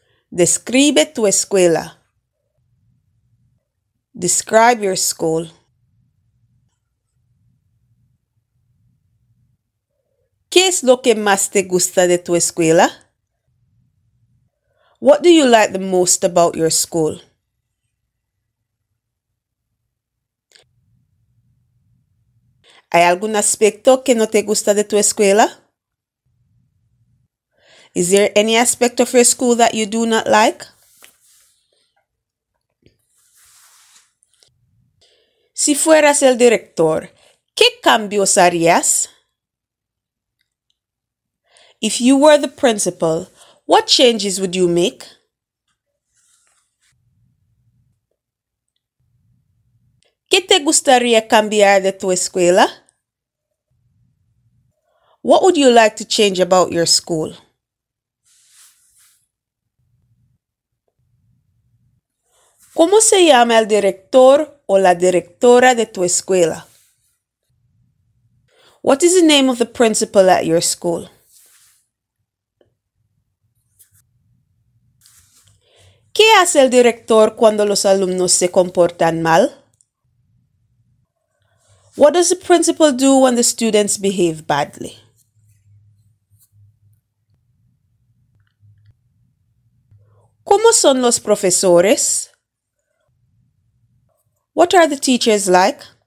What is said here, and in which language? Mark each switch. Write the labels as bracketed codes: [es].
[es] Describe tu escuela. [en] Describe your school. [es] ¿Qué es lo que más te gusta de tu escuela? [en] What do you like the most about your school? [es] ¿Hay algún aspecto que no te gusta de tu escuela? [en] Is there any aspect of your school that you do not like? [es] Si fueras el director, ¿qué cambios harías? [en] If you were the principal, what changes would you make? [es] ¿Qué te gustaría cambiar de tu escuela? [en] What would you like to change about your school? [es] ¿Cómo se llama el director o la directora de tu escuela? [en] What is the name of the principal at your school? [es] ¿Qué hace el director cuando los alumnos se comportan mal? [en] What does the principal do when the students behave badly? [es] ¿Cómo son los profesores? [en] What are the teachers like?